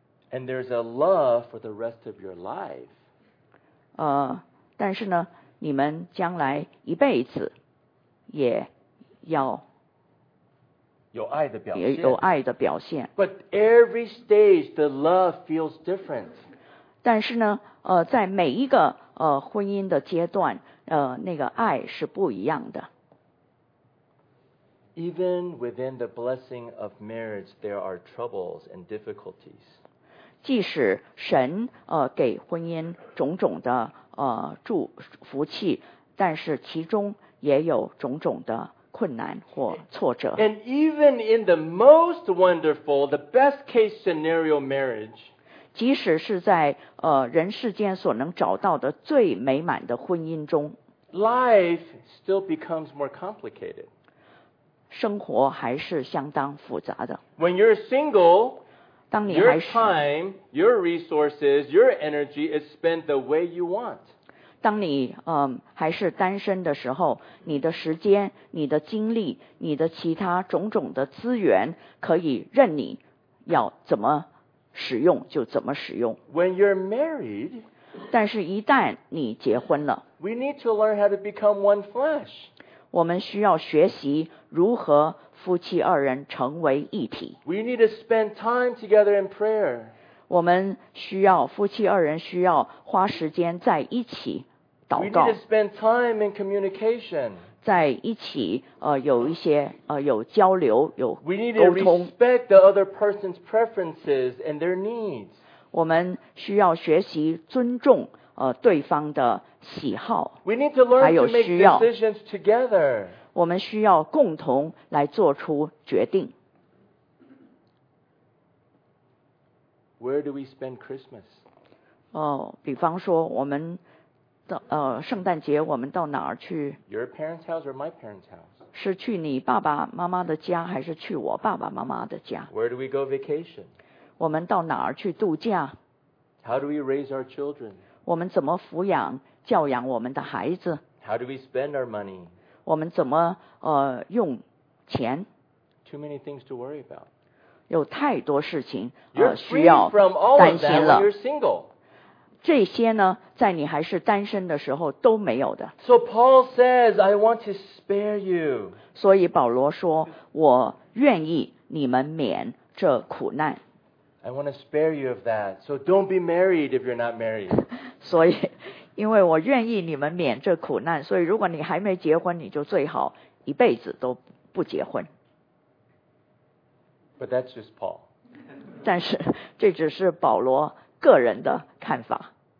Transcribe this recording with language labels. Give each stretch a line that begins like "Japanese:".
English: And there's a love for the rest of your life.
Chinese: 但是呢，你们将来一辈子也要有爱的表现。
English: But every stage, the love feels different.
Chinese: 但是呢，在每一个婚姻的阶段。那个爱是不一样的。
English: Even within the blessing of marriage, there are troubles and difficulties.
Chinese: 即使神给婚姻种种的祝福气，但是其中也有种种的困难或挫折。
English: And even in the most wonderful, the best case scenario marriage,
Chinese: 即使是在人世间所能找到的最美满的婚姻中。
English: Life still becomes more complicated.
Chinese: 生活还是相当复杂的。
English: When you're single,
Chinese: 当你还是
English: your time, your resources, your energy is spent the way you want.
Chinese: 当你还是单身的时候，你的时间、你的精力、你的其他种种的资源，可以任你要怎么使用就怎么使用。
English: When you're married,
Chinese: 但是一旦你结婚了。
English: We need to learn how to become one flesh.
Chinese: 我们需要学习如何夫妻二人成为一体。
English: We need to spend time together in prayer.
Chinese: 我们需要夫妻二人需要花时间在一起祷告。
English: We need to spend time in communication.
Chinese: 在一起有一些有交流有沟通。
English: We need to respect the other person's preferences and their needs.
Chinese: 我们需要学习尊重对方的喜好
English: We need to learn to make decisions together.
Chinese: 我们需要共同来做出决定。
English: Where do we spend Christmas?
Chinese: 比方说我们圣诞节我们到哪儿去
English: Your parents' house or my parents' house?
Chinese: 是去你爸爸妈妈的家还是去我爸爸妈妈的家
English: Where do we go vacation?
Chinese: 我们到哪儿去度假
English: How do we raise our children?
Chinese: 我们怎么抚养教养我们的孩子
English: How do we spend our money?
Chinese: 我们怎么用钱
English: Too many things to worry about.
Chinese: 有太多事情
English: You're free from all of that when you're single.
Chinese: 这些呢在你还是单身的时候都没有的。
English: So Paul says, I want to spare you.
Chinese: 所以保罗说我愿意你们免这苦难。
English: I want to spare you of that. So don't be married if you're not married.
Chinese: 所以因为我愿意你们免这苦难，所以如果你还没结婚，你就最好一辈子都不结婚。
English: But that's just Paul.
Chinese: 但是这只是保罗个人的看法。